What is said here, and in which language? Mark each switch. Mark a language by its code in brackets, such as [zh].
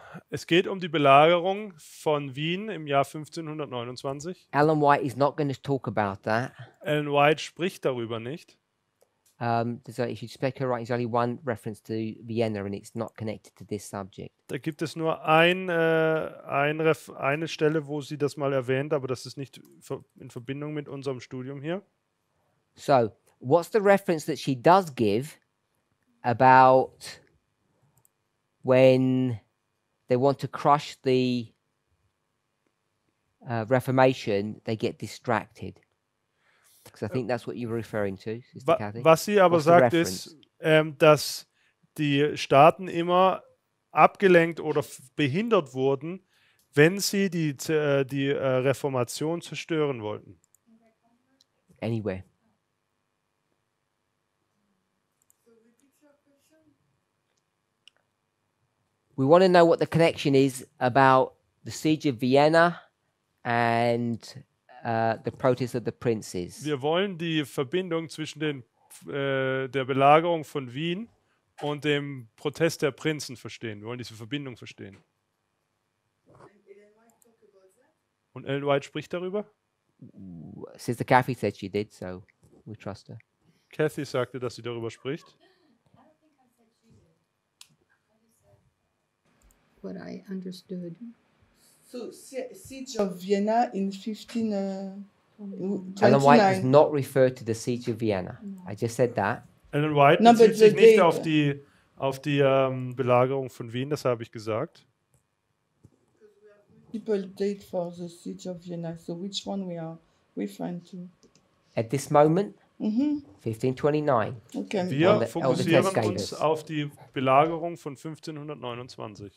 [de] Es geht um die Belagerung von Wien im Jahr 1529. [en] Ellen White is not going to talk about that. [de] Ellen White spricht darüber nicht. [en] If you speak her right, there's only one reference to Vienna and it's not connected to this subject. [de] Da gibt es nur eine Stelle, wo sie das mal erwähnt, aber das ist nicht in Verbindung mit unserem Studium hier. [en] So, what's the reference that she does give about when they want to crush the Reformation, they get distracted. Because I think that's what you're referring to, Sister Cathy. [de] Was sie aber sagt ist, dass die Staaten immer abgelenkt oder behindert wurden, wenn sie die Reformation zerstören wollten. [en] Anyway. We want to know what the connection is about the siege of Vienna and the protest of the princes. [de] Wir wollen die Verbindung zwischen der Belagerung von Wien und dem Protest der Prinzen verstehen. Wir wollen diese Verbindung verstehen. Und Ellen White spricht darüber? [en] Sister Kathy said she did, so we trust her. [de] Kathy sagte, dass sie darüber spricht. [en] What I understood. So, siege of Vienna in 1529. Ellen White does not refer to the siege of Vienna. No. I just said that. [de] Ellen White bezieht sich nicht auf die Belagerung von Wien, das habe ich gesagt. [en] People date for the siege of Vienna, so which one we are referring to? At this moment, 1529. [de] Okay. Wir fokussieren uns auf die Belagerung von 1529.